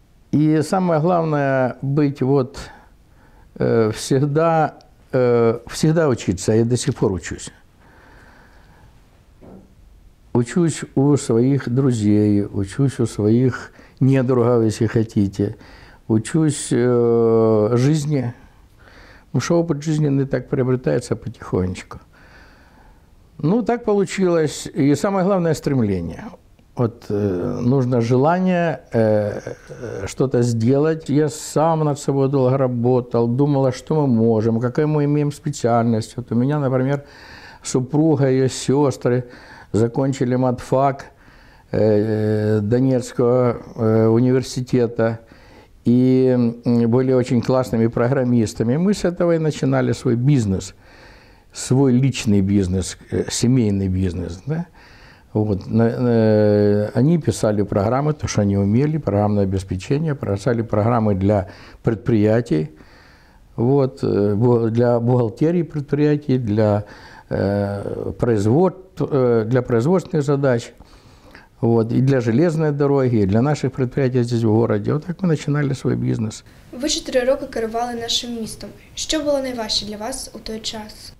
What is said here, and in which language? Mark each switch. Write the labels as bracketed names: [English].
[Ukrainian] І саме головне бути от завжди. [Russian] Всегда учиться, я до сих пор учусь. Учусь у своїх друзей, учусь у своїх недругів, если хотите. Учусь жизни. Ну, що опыт жизни не так приобретається потихонечку. Ну, так получилось. И самое главное – стремление. Вот нужно желание что-то сделать. Я сам над собой долго работал, думал, что мы можем, какую мы имеем специальность. Вот у меня, например, супруга, ее сестры закончили матфак Донецкого университета и были очень классными программистами. Мы с этого и начинали свой бизнес, свой личный бизнес, семейный бизнес. Да? Вот. Они писали программы, то, что они умели, программное обеспечение, писали программы для предприятий, вот, для бухгалтерии предприятий, для производственных задач, вот, и для железной дороги, и для наших предприятий здесь в городе. Вот так мы начинали свой бизнес. [Ukrainian] Ви 4 роки керували нашим містом. Що було найважче для вас у той час?